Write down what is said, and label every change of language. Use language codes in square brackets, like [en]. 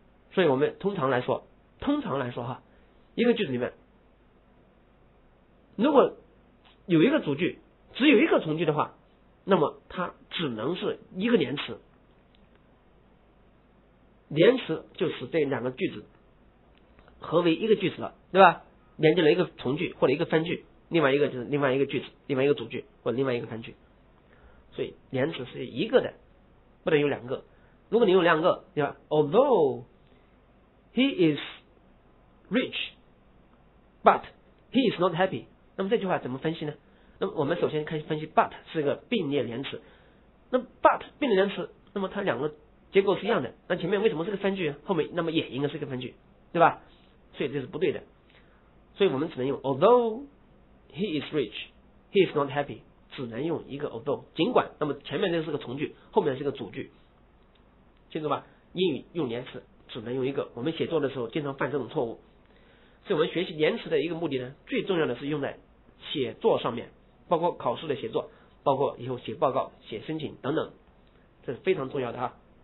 [zh] 所以我们通常来说哈，一个句子里面如果有一个主句，只有一个从句的话，那么它只能是一个连词，连词就使这两个句子合为一个句子了，对吧？连接了一个从句或者一个分句，另外一个就是另外一个句子，另外一个主句或者另外一个分句。所以连词是一个的，不能有两个。如果你有两个，对吧？ [en] Although He is rich, but he is not happy. [zh] 那么这句话怎么分析呢？那么我们首先开始分析 but 是个并列连词。那 but 并列连词，那么它两个结构是一样的。那前面为什么是个分句？后面那么也应该是个分句，对吧？所以这是不对的。所以我们只能用 [en] although he is rich, he is not happy. [zh] 只能用一个 although， 尽管。那么前面这是个从句，后面是个主句，清楚吧？英语用连词。只能用一个，我们写作的时候经常犯这种错误。所以我们学习连词的一个目的呢，最重要的是用在写作上面，包括考试的写作，包括以后写报告写申请等等，这是非常重要的哈。